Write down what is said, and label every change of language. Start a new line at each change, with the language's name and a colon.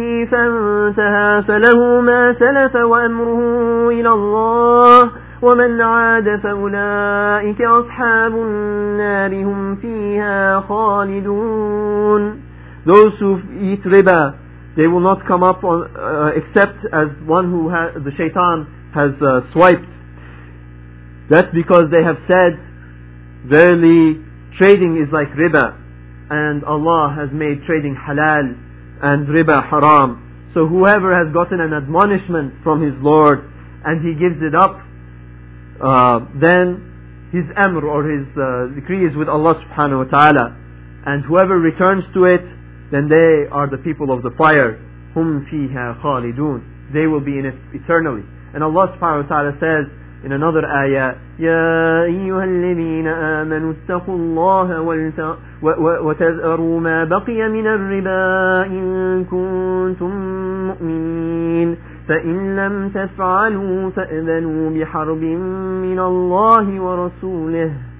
Arabic: فانتهى فله ما سلف وأمره إلى الله ومن عاد فأولئك أصحاب النار هم فيها خالدون.
English: Those who eat riba, they will not come up on, except as one who the shaitan has swiped. That's because they have said, verily, trading is like riba, and Allah has made trading halal and riba haram. So whoever has gotten an admonishment from his Lord and he gives it up, then his amr or his decree is with Allah subhanahu wa ta'ala. And whoever returns to it, then they are the people of the fire,
Arabic: hum fiha khalidun.
English: They will be in it eternally. And Allah subhanahu wa ta'ala says, in another ayah,
Arabic: يَا أَيُّهَا الَّذِينَ آمَنُوا اتَّقُوا اللَّهَ وَتَذَرُوا مَا بَقِيَ مِنَ الرِّبَا إِن كُنتُم مُؤْمِنِينَ فَإِن لَمْ تَفْعَلُوا فَأَذَنُوا بِحَرْبٍ مِّنَ اللَّهِ وَرَسُولِهِ.